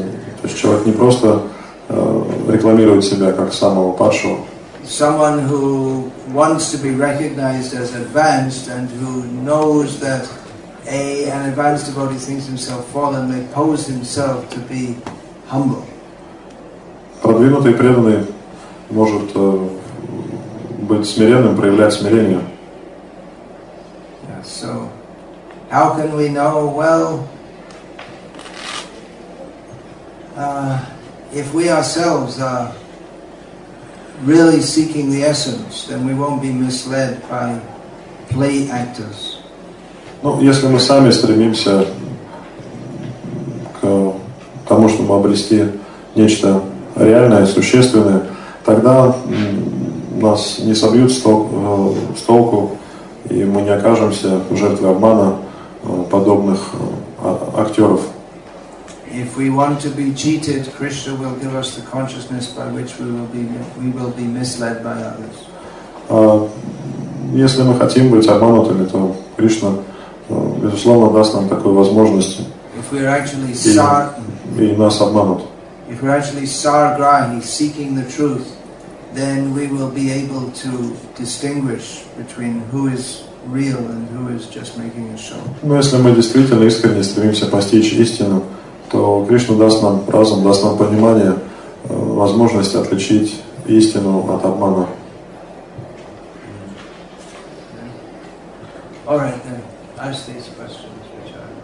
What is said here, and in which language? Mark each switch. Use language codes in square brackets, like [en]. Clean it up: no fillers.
[ru] То есть человек не просто рекламирует себя как самого падшего. [en] Someone who wants to be recognized as advanced and who knows that an advanced devotee thinks himself fallen, may pose himself to be humble. [ru] Продвинутый преданный может быть смиренным, проявлять смирение. [en] Yeah, so, how can we know? Well, if we ourselves are really seeking the essence, then we won't be misled by play actors. [ru] Ну, если мы сами стремимся к тому, чтобы обрести нечто реальное, существенное, тогда нас не собьют с толку, и мы не окажемся жертвой обмана подобных актеров. [en] If we want to be cheated, Krishna will give us the consciousness by which we will be misled by others. [ru] если мы хотим быть обманутыми, то Кришна, безусловно, даст нам такую возможность. И нас обманут. [en] If we're actually sargrahi, seeking the truth, then we will be able to distinguish between who is real and who is just making a show. [ru] Но если мы действительно искренне стремимся постичь истину, то Кришна даст нам разум, даст нам понимание, возможность отличить истину от обмана. [en] All right, then. Ask these questions, which